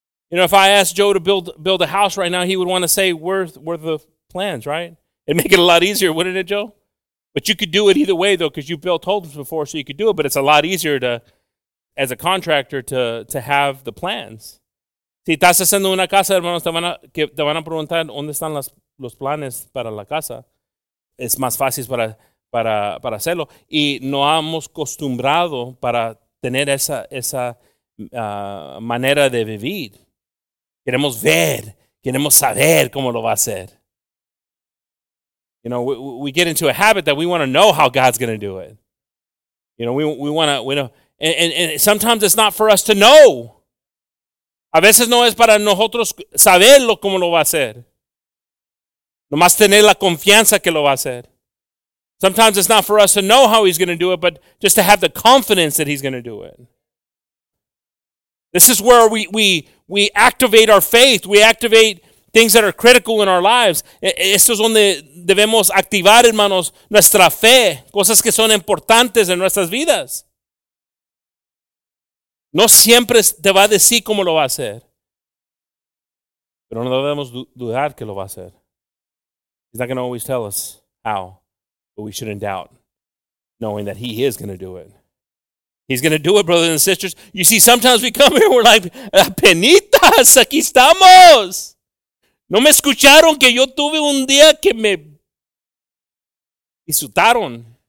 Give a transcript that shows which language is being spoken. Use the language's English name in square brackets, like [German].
[English] You know, if I asked Joe to build a house right now, he would want to say, where are the plans, right? It'd make it a lot easier, wouldn't it, Joe? But you could do it either way, though, because you've built homes before, so you could do it. But it's a lot easier to, as a contractor, to have the plans. [Spanish] Si estás haciendo una casa, hermanos, te van a preguntar dónde están los planes para la casa. Es más fácil para hacerlo, y no hemos acostumbrado para tener esa manera de vivir. Queremos ver, queremos saber cómo lo va a hacer. [English] You know, we get into a habit that we want to know how God's going to do it. You know, we want to, and sometimes it's not for us to know. [Spanish] A veces no es para nosotros saberlo cómo lo va a hacer. Nomás tener la confianza que lo va a hacer. [English] Sometimes it's not for us to know how he's going to do it, but just to have the confidence that he's going to do it. This is where we activate our faith. We activate things that are critical in our lives. [Spanish] Esto es donde debemos activar, hermanos, nuestra fe. Cosas que son importantes en nuestras vidas. No siempre te va a decir cómo lo va a hacer. Pero no debemos dudar que lo va a hacer. [English] He's not going to always tell us how, but we shouldn't doubt, knowing that he is going to do it. He's going to do it, brothers and sisters. You see, sometimes we come here and we're like, [Spanish] penitas, aquí estamos. No me escucharon que yo tuve un día que me disfrutaron.